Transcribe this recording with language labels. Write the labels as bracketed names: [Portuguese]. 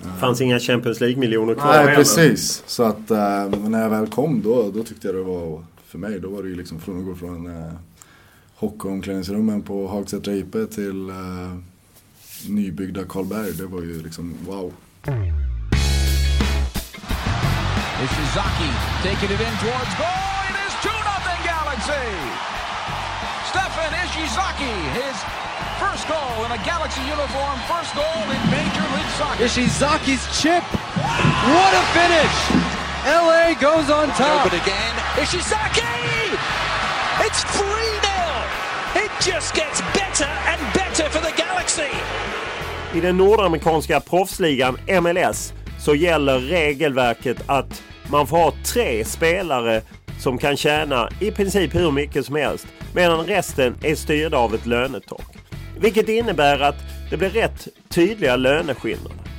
[Swedish] Fanns inga Champions League-miljoner kvar? Nej, ännu. Precis. Så att när jag väl kom då tyckte jag det var, för mig, då var det ju liksom från att gå från hockeyomklädningsrummen på Hagsätra IP till nybyggda Karlberg. Det var ju liksom wow. [English] Ishizaki taking it in towards goal. It is 2-0 Galaxy. Stefan Ishizaki, his first goal in a Galaxy uniform, first goal in Major League Soccer. Ishizaki's chip. What a finish! LA goes on top. Open again. Ishizaki! It's 3-0. It just gets better and better for the Galaxy. [Swedish] I den nordamerikanska proffsligan MLS så gäller regelverket att man får ha tre spelare som kan tjäna i princip hur mycket som helst, medan resten är styrda av ett lönetak. Vilket innebär att det blir rätt tydliga löneskillnader.